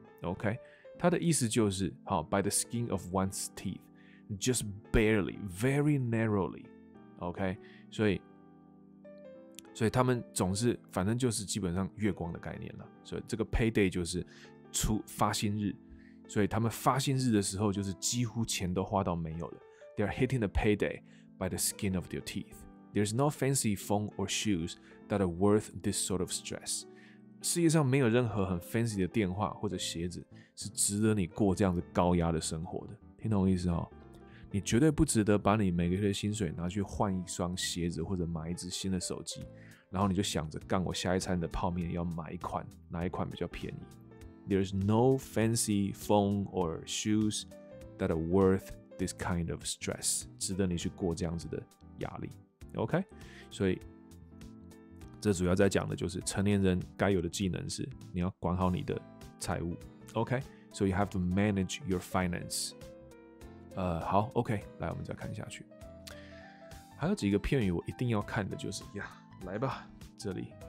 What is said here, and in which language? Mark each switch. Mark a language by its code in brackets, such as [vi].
[en] OK, [zh] 它的意思就是好 [en] ，by the skin of one's teeth, just barely, very narrowly. [zh] OK, 所以他们总是反正就是基本上月光的概念了。所以这个 payday 就是出发薪日。所以他们发薪日的时候，就是几乎钱都花到没有了。 [en] They are hitting the payday by the skin of their teeth. There's no fancy phone or shoes that are worth this sort of stress. [zh] 世界上没有任何很 fancy 的电话或者鞋子是值得你过这样子高压的生活的。听懂我意思哦？你绝对不值得把你每个月的薪水拿去换一双鞋子或者买一只新的手机，然后你就想着干我下一餐的泡面要买一款，哪一款比较便宜。 [en] There's no fancy phone or shoes that are worth this kind of stress. [zh] 值得你去过这样子的压力。 [en] OK? [zh] 所以这主要在讲的就是成年人该有的技能是你要管好你的财务。 [en] OK? So you have to manage your finance. [zh] 好 ,OK, 来我们再看下去。还有几个片语我一定要看的就是呀来吧这里。